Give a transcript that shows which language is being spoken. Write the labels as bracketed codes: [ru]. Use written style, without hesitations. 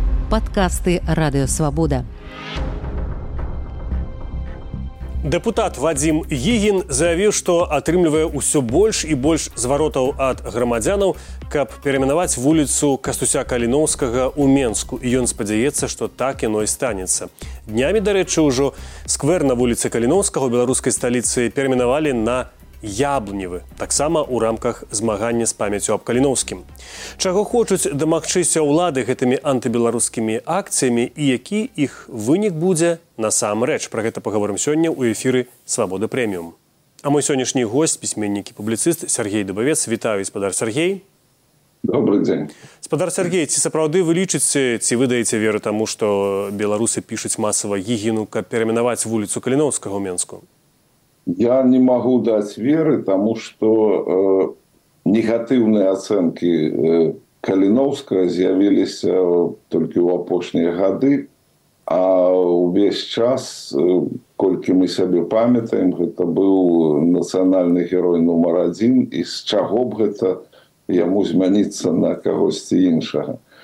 [ru] Подкасты «Радио Свобода». [be] Депутат Вадзім Ігін заявіў, што атрымлівае ўсё больш і больш зваротаў ад грамадзянаў, каб перайменаваць вуліцу Кастуся Каліноўскага ў Менску. І ён спадзяецца, што так яно і станецца. Днямі, дарэчы, ўжо сквер на вуліцы Каліноўскага ў беларускай сталіцы перайменавалі на Яблневы, таксама ў рамках змагання з памяццю аб Каліноўскім. Чаго хочуць дамагчыся ўлады гэтымі антыбеларускімі акцыямі і які іх вынік будзе насамрэч? Пра гэта паговорым сёння ў эфіры «Свабода прэміум». А мой сённяшні госць, пісьменнік і публіцыст Сергей Дубавец. Вітаю, спадар Сергей. [ru] Добрый дзень. [be] Спадар Сергей, ці сапраўды вы лічыце, ці вы даеце веру таму, што беларусы пішуць масава Ігіну, каб перайменаваць вуліцу Каліноўскага ў Менску? [ru] Я не могу дать веры, потому что негативные оценки Калиновского появились только в последние годы, а весь час, сколько мы себе памятаем, это был национальный герой номер один, и с чего бы это ему измениться на кого-то иного.